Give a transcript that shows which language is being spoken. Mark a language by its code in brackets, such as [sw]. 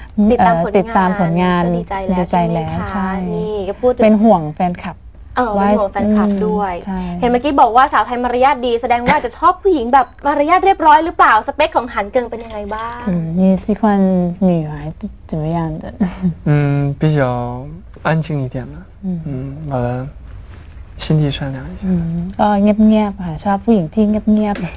[th] ติดตามผลงาน ดี ใจแล้วใช่ นี ่ก็พูด เป็นห่วงแฟนคลับ เป็นห่วงแฟนคลับด้วยเห็นเมื่อกี้บอกว่าสาวไทยมารยาทดีแสดงว่าจะชอบผู้หญิงแบบมารยาทเรียบร้อยหรือเปล่าสเปคของหันเกิงเป็นยังไงบ้าง [zh] 你喜欢女孩怎么样的比较安静一点的好的心地善良一些 [th] ก็เงียบเงียบค่ะชอบผู้หญิงที่เงียบเงียบ